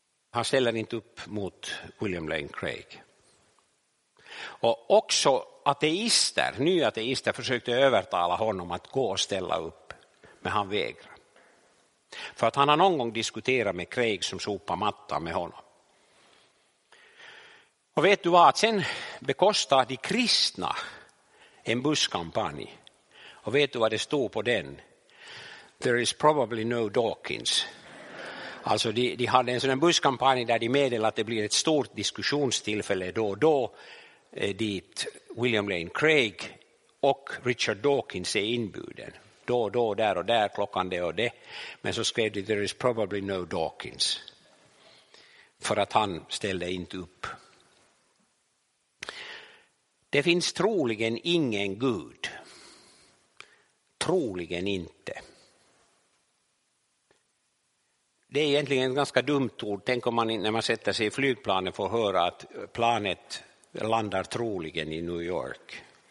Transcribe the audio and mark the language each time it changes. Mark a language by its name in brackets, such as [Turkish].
[Swedish] Han ställer inte upp mot William Lane Craig. Och också ateister, nya ateister, försökte övertala honom att gå och ställa upp. Men han vägrar. För att han har någon gång diskuterat med Craig som sopar matta med honom. Och vet du vad? Att sen bekostade de kristna en busskampanj. Och vet du vad det stod på den? [English] There is probably no Dawkins. [Swedish] Alltså de hade en sån busskampanj där de meddelade att det blir ett stort diskussionstillfälle då och då. Dit William Lane Craig och Richard Dawkins är inbjuden. då, där och där, klockan det och det. Men så skrev de, [English] there is probably no Dawkins. [Swedish] För att han ställde inte upp. Det finns troligen ingen Gud. Troligen inte. Det är egentligen ett ganska dumt ord. Tänk om man, när man sätter sig i flygplanet, får höra att planet landar troligen i New York.